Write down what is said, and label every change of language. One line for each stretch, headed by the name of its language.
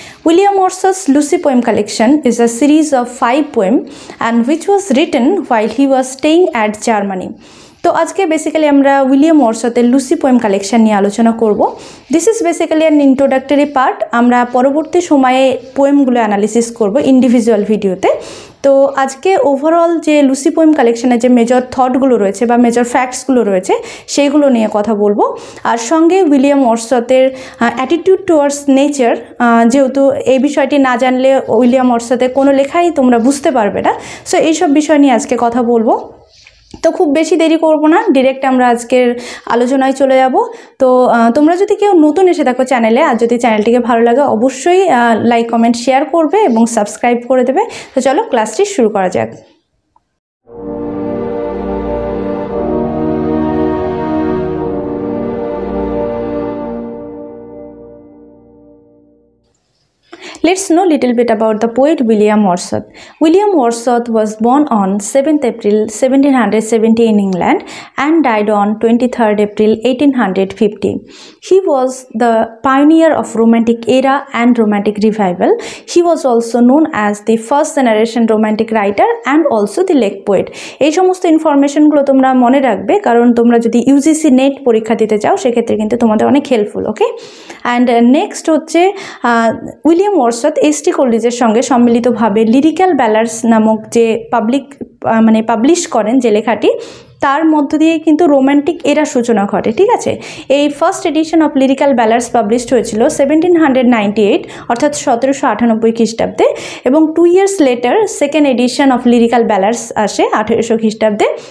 English: William Wordsworth's Lusy poem collection is a series of 5 poems and which was written while he was staying at Germany. So, today basically, we will talk about Lusy poem collection. This is basically an introductory part. We will analyze the poem analysis individual video.
Bangla: তো আজকে overall যে Lucy poem কালেকশনের যে major থটগুলো রয়েছে বা major ফ্যাক্টসগুলো রয়েছে সেইগুলো নিয়ে কথা বলবো আর সঙ্গে উইলিয়াম ওয়ার্ডসওয়ার্থের
English: attitude towards nature
Bangla: যেহেতু এই বিষয়টি না জানলে উইলিয়াম ওয়ার্ডসওয়ার্থের কোনো লেখাই তোমরা বুঝতে পারবে না সো এইসব বিষয় নিয়ে আজকে কথা বলবো তো খুব বেশি দেরি করব না ডাইরেক্ট আমরা আজকের আলোচনায় চলে যাব তো তোমরা যদি কেউ নতুন এসে থাকো চ্যানেলে আর যদি চ্যানেলটিকে ভালো লাগে অবশ্যই লাইক কমেন্ট শেয়ার করবে এবং সাবস্ক্রাইব করে দেবে তো চলো ক্লাসটি শুরু করা যাক
English: Let's know a little bit about the poet William Wordsworth. William Wordsworth was born on 7th April 1770 in England and died on 23rd April 1850. He was the pioneer of Romantic era and Romantic revival. He was also known as the first generation Romantic writer and also the lake poet.
Bangla: এই সমস্ত information গুলো তোমরা মনে রাখবে কারণ তোমরা যদি UGC NET পরীক্ষা দিতে চাও সেক্ষেত্রে কিন্তু তোমাদের অনেক হেল্পফুল ওকে
English: And next
Bangla: হচ্ছে William Wordsworth এসটি কলেজের সঙ্গে সম্মিলিতভাবে লিরিক্যাল ব্যালার্স নামক যে পাবলিক মানে পাবলিশ করেন যে লেখাটি তার মধ্য দিয়ে কিন্তু রোম্যান্টিক এরা সূচনা ঘটে ঠিক আছে এই first edition of lyrical ব্যালার্স published হয়েছিল 1798 অর্থাৎ 1798 খ্রিস্টাব্দে এবং
English: two years later second edition of lyrical ballads
Bangla: আসে 1800 খ্রিস্টাব্দে